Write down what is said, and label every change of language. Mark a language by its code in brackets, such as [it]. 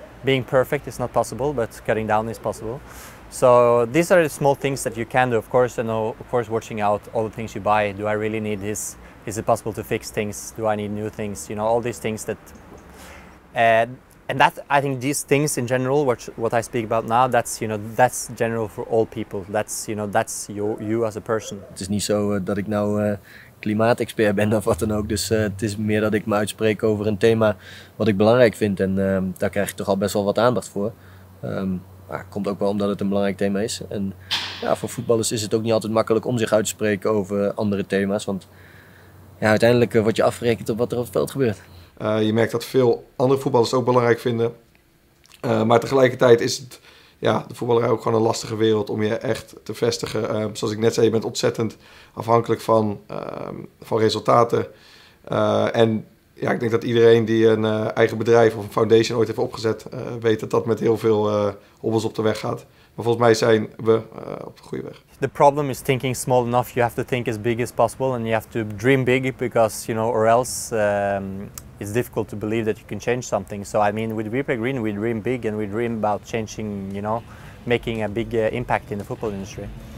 [en] Being perfect is not possible, but cutting down is possible. So these are the small things that you can do, of course, and of course watching out all the things you buy. Do I really need this? Is it possible to fix things? Do I need new things? You know, all these things that... and that, I think these things in general, what I speak about now, that's, you know, that's general for all people. That's, you know, that's you as a person. [nl] Het is niet zo dat ik nou klimaatexpert ben of wat dan ook. Dus het is meer dat ik me uitspreek over een thema wat ik belangrijk vind. En daar krijg ik toch al best wel wat aandacht voor. Maar het komt ook wel omdat het een belangrijk thema is. En ja, voor voetballers is het ook niet altijd makkelijk om zich uit te spreken over andere thema's. Want ja, uiteindelijk word je afgerekend op wat er op het veld gebeurt. Je merkt dat veel andere voetballers het ook belangrijk vinden. Maar tegelijkertijd is het, ja, de voetballerij ook gewoon een lastige wereld om je echt te vestigen. Zoals ik net zei, je bent ontzettend afhankelijk van resultaten. En ja, ik denk dat iedereen die een eigen bedrijf of een foundation ooit heeft opgezet, weet dat dat met heel veel hobbels op de weg gaat. Maar volgens mij zijn we op de goede weg. [en] The problem is thinking small enough. You have to think as big as possible and you have to dream big, because, you know, or else it's difficult to believe that you can change something. So I mean, with Ripe Green we dream big and we dream about changing, you know, making a big impact in the football industry.